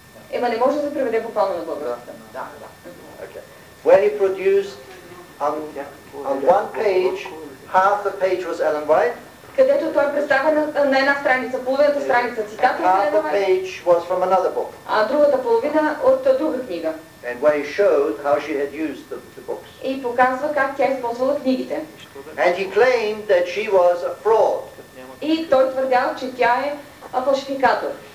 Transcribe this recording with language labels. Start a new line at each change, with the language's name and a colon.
Bulgarian: Ема не може да се преведе буквално на българска. Да.
English: Okay. Where he produced on one page, half the page was Ellen White.
Bulgarian: Където той представя на една страница, половината страница цитата на Елена Вайт.
English: Page was from another book.
Bulgarian: А другата половина от друга книга.
English: And where he showed how she had used the books.
Bulgarian: И показва как тя използвала книгите.
English: And he claimed that she was a fraud.
Bulgarian: И той твърдял, че тя е фалшификатор.